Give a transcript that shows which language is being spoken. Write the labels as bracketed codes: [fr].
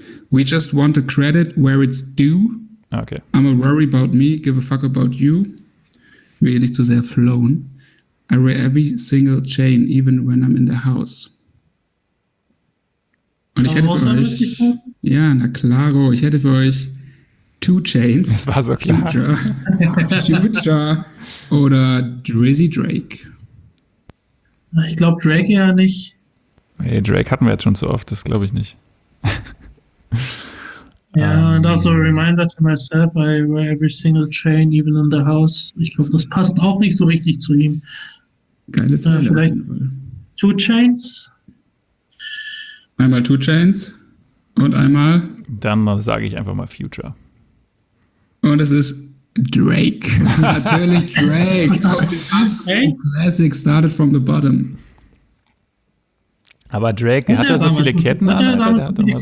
[en] We just want the credit where it's due. Okay. I'm a worry about me, give a fuck about you. Really zu sehr flown. I wear every single chain, even when I'm in the house. [de] Und ich hätte für euch, ja, na klaro, ich hätte für euch Two Chains. Das war so klar. Future oder Drizzy Drake. Ich glaube Drake ja nicht. Hey, Drake hatten wir jetzt schon so oft, das glaube ich nicht. Ja, und auch so ein [en] Reminder to myself, I wear every single chain, even in the house. [de] Ich glaube, das passt auch nicht so richtig zu ihm. Geile Zeile. Vielleicht Two Chains. Einmal Two Chains und einmal? Dann sage ich einfach mal Future. Und es ist Drake. Natürlich Drake. [en] Classic started from the bottom. [de] Aber Drake, hat er so viele Ketten an?